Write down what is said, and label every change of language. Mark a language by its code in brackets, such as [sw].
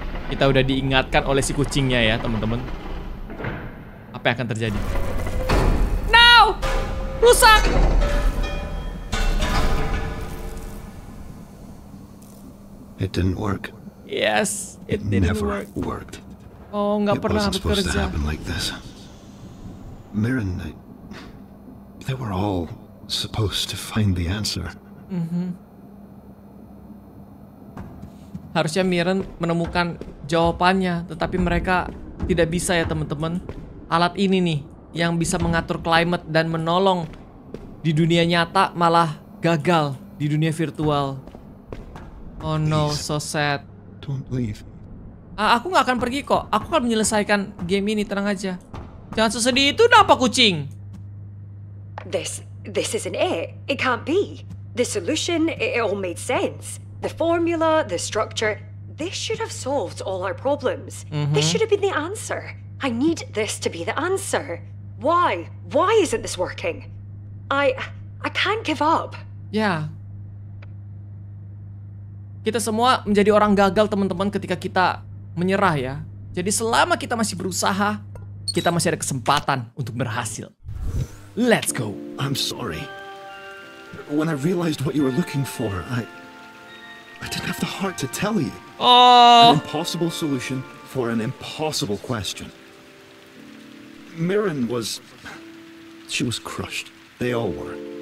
[id] Kita udah diingatkan oleh si kucingnya ya, teman-teman. Apa yang akan terjadi? No! Rusak! [en] It didn't work. Yes, it didn't never work. Worked. [id] Oh, nggak pernah bekerja. [en] It wasn't supposed to happen like this. Mirren, they were all supposed to find the answer. [id] Harusnya Mirren menemukan jawabannya, tetapi mereka tidak bisa ya teman-teman. Alat ini nih yang bisa mengatur climate dan menolong di dunia nyata malah gagal di dunia virtual. [en] Oh no, so sad. Don't leave. [id] Aku gak akan pergi kok. Aku akan menyelesaikan game ini, tenang aja. Jangan sesedih itu, napa kucing? [en] This isn't it. It can't be. The solution, it all made sense. The formula, the structure, this should have solved all our problems. This should have been the answer. I need this to be the answer. Why? Why isn't this working? I can't give up. Yeah. [id] Kita semua menjadi orang gagal, teman-teman, ketika kita menyerah ya. Jadi selama kita masih berusaha, kita masih ada kesempatan untuk berhasil. [en] Let's go. I'm sorry. When I realized what you were looking for, I didn't have the heart to tell you. Oh. An impossible solution for an impossible question. Mirren was... She was crushed. They all were.